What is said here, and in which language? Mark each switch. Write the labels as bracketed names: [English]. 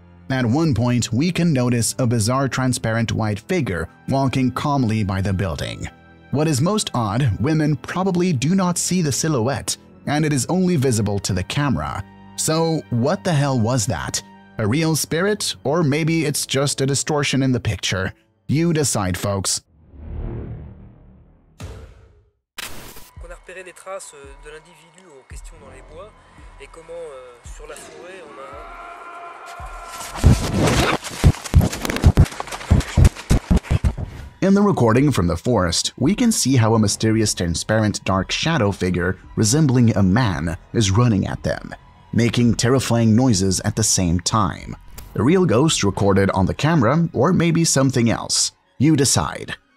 [English] At one point, we can notice a bizarre transparent white figure walking calmly by the building. What is most odd, women probably do not see the silhouette, and it is only visible to the camera. So, what the hell was that? A real spirit, or maybe it's just a distortion in the picture? You decide, folks. [French] On a repéré les traces de l'individu en question dans les bois, et comment sur la forêt on a... [English] In the recording from the forest, we can see how a mysterious transparent dark shadow figure resembling a man is running at them, making terrifying noises at the same time. A real ghost recorded on the camera, or maybe something else. You decide.